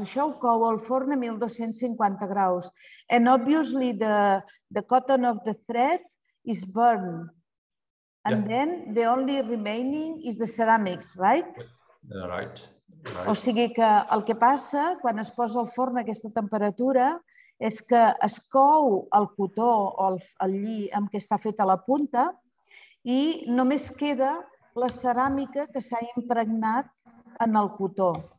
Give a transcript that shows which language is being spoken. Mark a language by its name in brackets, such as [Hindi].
[Catalan] Això ho cou al forn a 1250 graus. [English] And obviously the cotton of the thread is burned. And then the only remaining is the ceramics, right? Right. [Catalan] O sigui que el que passa quan es posa al forn a aquesta temperatura és que es cou el cotó o el lli amb què està feta la punta i només queda la ceràmica que s'ha impregnat en el cotó.